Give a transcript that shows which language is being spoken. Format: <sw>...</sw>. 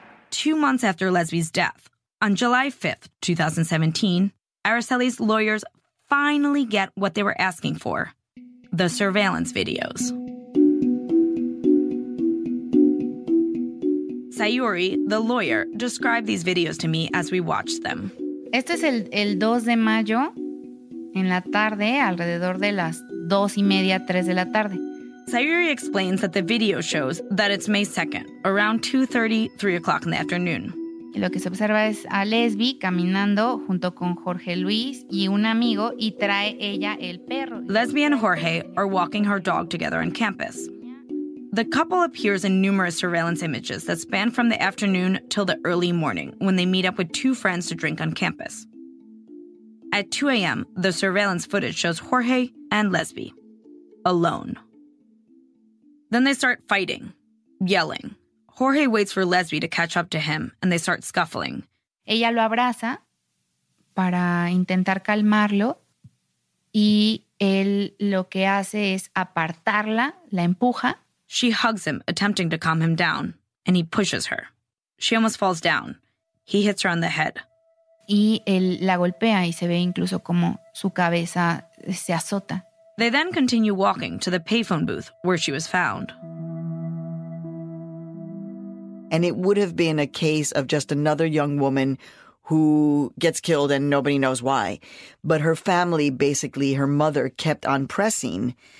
<en>2 months after Lesbi's death, on July 5th, 2017, Araceli's lawyers finally get what they were asking for, the surveillance videos. Sayuri, the lawyer, described these videos to me as we watched them.</en> <es>Este es el 2 de mayo, en la tarde, alrededor de las 2 y media, 3 de la tarde.</es> <en>Sayuri explains that the video shows that it's May 2nd, around 2:30, 3 o'clock in the afternoon.</en> <es>Y lo que se observa es a Lesbi caminando junto con Jorge Luis y un amigo y trae ella el perro.</es> <en>Lesbi and Jorge are walking her dog together on campus. The couple appears in numerous surveillance images that span from the afternoon till the early morning when they meet up with two friends to drink on campus. At 2 a.m., the surveillance footage shows Jorge and Lesbi alone. Then they start fighting, yelling. Jorge waits for Lesbi to catch up to him, and they start scuffling.</en> <es>Ella lo abraza para intentar calmarlo, y él lo que hace es apartarla, la empuja.</es> <en>She hugs him, attempting to calm him down, and he pushes her. She almost falls down. He hits her on the head.</en> <es>Y él la golpea, y se ve incluso como su cabeza se azota.</es> <en>They then continue walking to the payphone booth where she was found. And it would have been a case of just another young woman who gets killed and nobody knows why. But her family, basically her mother, kept on pressing.</en>